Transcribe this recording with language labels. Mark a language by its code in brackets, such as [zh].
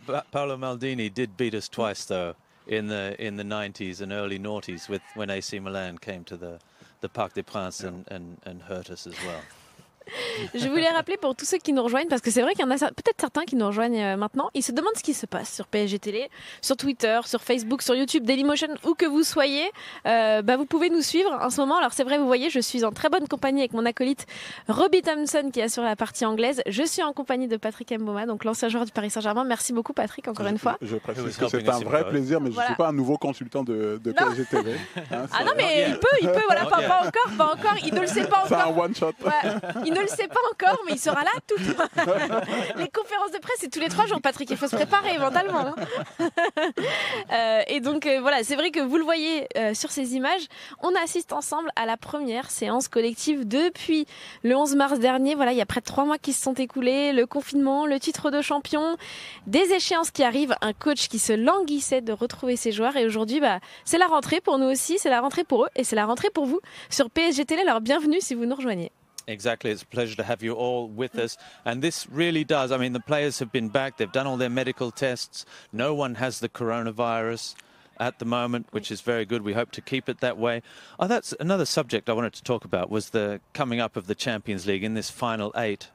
[en] Paolo Maldini did beat us twice, though, in the 90s and early noughties, when AC Milan came to the Parc des Princes and hurt us as well. [fr] Je voulais rappeler pour tous ceux qui nous rejoignent, parce que c'est vrai qu'il y en a peut-être certains qui nous rejoignent maintenant, ils se demandent ce qui se passe sur PSG Télé, sur Twitter, sur Facebook, sur YouTube, Dailymotion, où que vous soyez, vous pouvez nous suivre en ce moment. Alors c'est vrai, vous voyez, je suis en très bonne compagnie avec mon acolyte Robbie Thompson qui assure la partie anglaise. Je suis en compagnie de Patrick Mboma, donc l'ancien joueur du Paris Saint-Germain. Merci beaucoup Patrick, encore une fois. Je précise que c'est un vrai plaisir, mais je ne suis pas un nouveau consultant de PSG Télé. Hein, ah non, mais il peut, voilà, pas encore, il ne le sait pas encore. C'est un one shot. Ouais. ne le sait pas encore, mais il sera là tout le temps. Les conférences de presse, c'est tous les trois jours, Patrick. Il faut se préparer mentalement. Et donc, voilà, c'est vrai que vous le voyez sur ces images. On assiste ensemble à la première séance collective depuis le 11 mars dernier. Voilà, il y a près de 3 mois qui se sont écoulés. Le confinement, le titre de champion, des échéances qui arrivent, un coach qui se languissait de retrouver ses joueurs. Et aujourd'hui, bah, c'est la rentrée pour nous aussi. C'est la rentrée pour eux et c'est la rentrée pour vous sur PSG Télé. Alors, bienvenue si vous nous rejoignez. [en] Exactly. It's a pleasure to have you all with us. And this really does. I mean, the players have been back. They've done all their medical tests. No one has the coronavirus at the moment, which is very good. We hope to keep it that way. Oh, that's another subject I wanted to talk about, was the coming up of the Champions League in this final eight.